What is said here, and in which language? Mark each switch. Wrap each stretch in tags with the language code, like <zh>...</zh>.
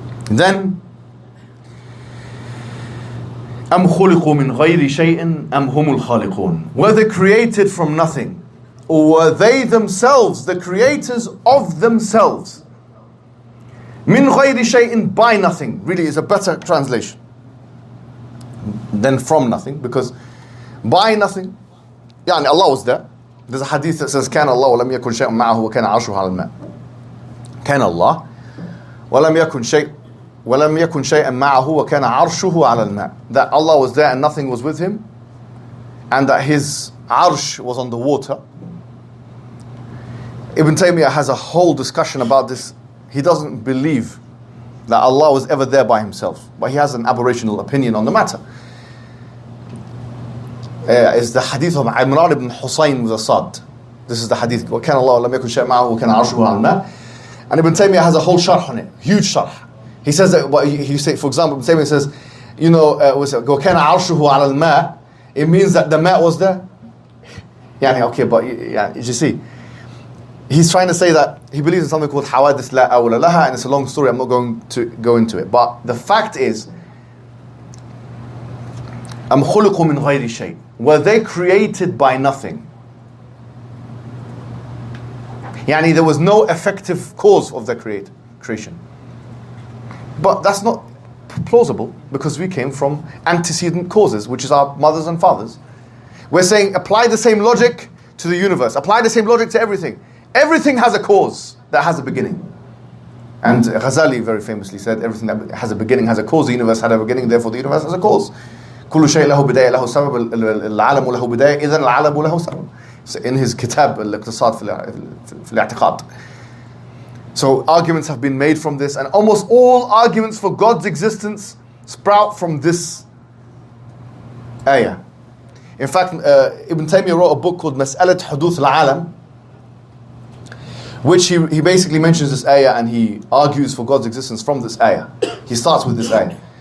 <en>Then,</en> <ar>أَمْ خُلِقُوا مِنْ غَيْرِ شَيْءٍ أَمْ هُمُ الْخَالِقُونَ.</ar> <en>Were they created from nothing? Or were they themselves the creators of themselves?</en> <ar>مِنْ غَيْرِ شَيْءٍ,</ar> <en>by nothing, really is a better translation than from nothing, because by nothing, يعني Allah was there. There's a hadith that says,</en> <ar>كان الله ولم يكن شيء معه وكان عرشه على الماء. كان الله ولم يكن شيء ولم يكن شيئا معه وكان عرشه على الماء.</ar> <en>That Allah was there and nothing was with him, and that his arsh was on the water. Ibn Taymiyyah has a whole discussion about this. He doesn't believe that Allah was ever there by himself, but he has an aberrational opinion on the matter. Is the hadith of Imran ibn Husayn with Asad. This is the hadith.</en> <ar>وَكَانَ اللَّهُ لَمْ يَكُنْ شَيْءٍ مَعَهُ وَكَانَ عَرْشُهُ عَلَى الْمَاءِ.</ar> <en>And Ibn Taymiyyah has a whole sharh on it. Huge sharh. He says that, for example, Ibn Taymiyyah says, you know,</en> <ar>وَكَانَ عَرْشُهُ عَلَى الْمَاءِ.</ar> <en>It means that the ma was there. Yani, okay, but you see, he's trying to say that he believes in something called</en> <ar>حَوَادِثْ لَا أَوْلَى لَهَا,</ar> <en>and it's a long story. I'm not going to go into it. But the fact is,</en> <ar>أَمْ خُلِقُوا مِنْ غَيْرِ شَيْءٍ.</ar> <en>Were they created by nothing? Yani, there was no effective cause of the creation. But that's not plausible, because we came from antecedent causes, which is our mothers and fathers. We're saying, apply the same logic to the universe. Apply the same logic to everything. Everything has a cause that has a beginning. And Ghazali very famously said, everything that has a beginning has a cause. The universe had a beginning, therefore the universe has a cause.</en> <ar>كل شيء له بداية له سبب العالم له بداية إذن العالم له سبب.</ar> <en>In his kitab الاقتصاد في الاعتقاد. So arguments have been made from this, and almost all arguments for God's existence sprout from this ayah. In fact, Ibn Taymiyyah wrote a book called مسألة حدوث العالم, which he basically mentions this ayah, and he argues for God's existence from this ayah. He starts with this ayah.</en>